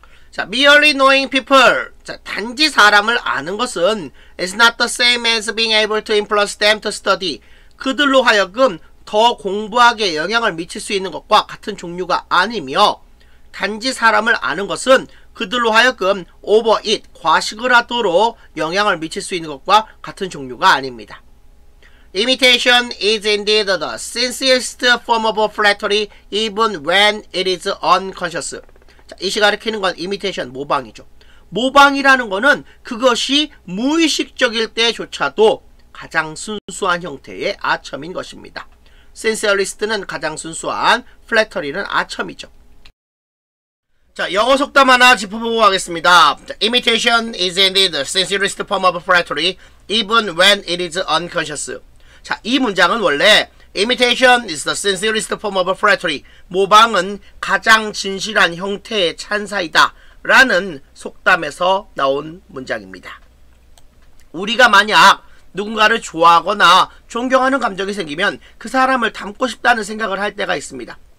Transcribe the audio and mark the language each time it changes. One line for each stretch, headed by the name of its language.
English: 자, merely knowing people.
Korean: 자, 단지 사람을 아는 것은
English: is not the same as being able to influence them to study.
Korean: 그들로 하여금 더 공부하게 영향을 미칠 수 있는 것과 같은 종류가 아니며 단지 사람을 아는 것은 그들로 하여금 overeat, 과식을 하도록 영향을 미칠 수 있는 것과 같은 종류가 아닙니다.
English: Imitation is indeed the sincerest form of flattery even when it is unconscious.
Korean: 자, 이시 가르치는 건 imitation, 모방이죠. 모방이라는 거는 그것이 무의식적일 때조차도 가장 순수한 형태의 아첨인 것입니다. Sincerist는 가장 순수한, flattery는 아첨이죠. 자, 영어 속담 하나 짚어보고 가겠습니다.
English: Imitation is indeed the sincerest form of flattery even when it is unconscious.
Korean: 자, 이 문장은 원래
English: Imitation is the sincerest form of flattery.
Korean: 모방은 가장 진실한 형태의 찬사이다. 라는 속담에서 나온 문장입니다. 우리가 만약 누군가를 좋아하거나 존경하는 감정이 생기면 그 사람을 닮고 싶다는 생각을 할 때가 있습니다.